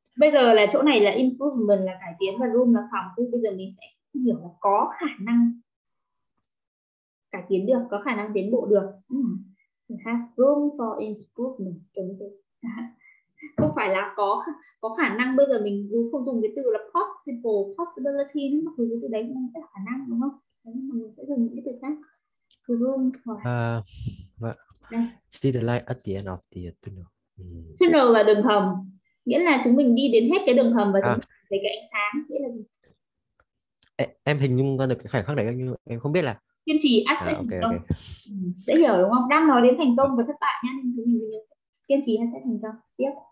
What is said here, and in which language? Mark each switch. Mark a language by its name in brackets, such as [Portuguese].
[Vietnamese] Bây giờ là chỗ này là improvement là cải tiến và room là phòng. Thì bây giờ mình sẽ hiểu là có khả năng cải tiến được, có khả năng tiến bộ được. [English] We have room for improvement. [Vietnamese] Không phải là có khả năng. Bây giờ mình không dùng cái từ là possible, possibility, nhưng mà cái từ đấy cũng là khả năng đúng không? Đấy, mà mình sẽ dùng cái từ khác. [English] Room for. Đây. See the light at the end of the tunnel. [Vietnamese] Tunnel là đường hầm, nghĩa là chúng mình đi đến hết cái đường hầm và chúng mình thấy cái ánh sáng, nghĩa là gì? Em hình dung ra được cái khoảnh khắc đấy nhưng em không biết là kiên trì asset thành công. Dễ hiểu đúng không? Đang nói đến thành công và thất bại nhá, nên chúng mình nhớ kiên trì asset thành công. Tiếp.